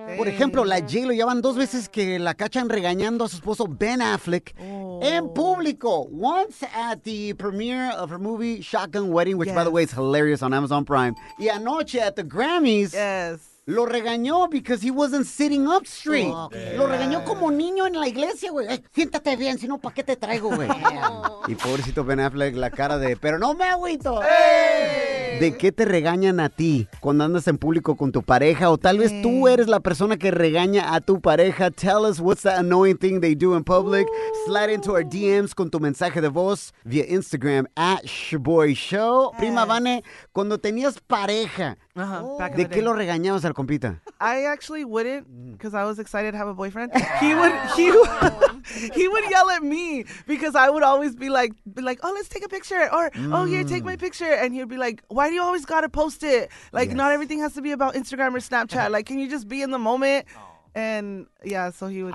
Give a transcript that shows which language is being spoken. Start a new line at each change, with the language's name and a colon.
Spanish: Por ejemplo, la J-Lo, ya van dos veces que la cachan regañando a su esposo Ben Affleck en público.
English: Once at the premiere of her movie Shotgun Wedding, which, by the way, is hilarious on Amazon Prime.
Spanish: Y anoche
English: at the Grammys. Yes.
Spanish: Lo regañó
English: because he wasn't sitting up straight. Oh, okay.
Spanish: Lo regañó como niño en la iglesia, güey. Siéntate bien, si no, ¿pa' qué te traigo, güey? Y pobrecito Ben Affleck, la cara de, pero no me agüito. ¿De qué te regañan a ti cuando andas en público con tu pareja? O tal vez tú eres la persona que regaña a tu pareja.
English: Tell us what's that annoying thing they do in public. Slide into our DMs
Spanish: con tu mensaje de voz
English: via Instagram at Shaboy Show. Hey.
Spanish: Prima Vane, cuando tenías pareja, ¿de qué lo regañabas al compita?
English: I actually wouldn't, because I was excited to have a boyfriend. He would yell at me because I would always be like, oh, let's take a picture, or oh, here, take my picture. And he'd be like, why do you always gotta post it? Like, yes. Not everything has to be about Instagram or Snapchat. Like, can you just be in the moment? And yeah, so he would.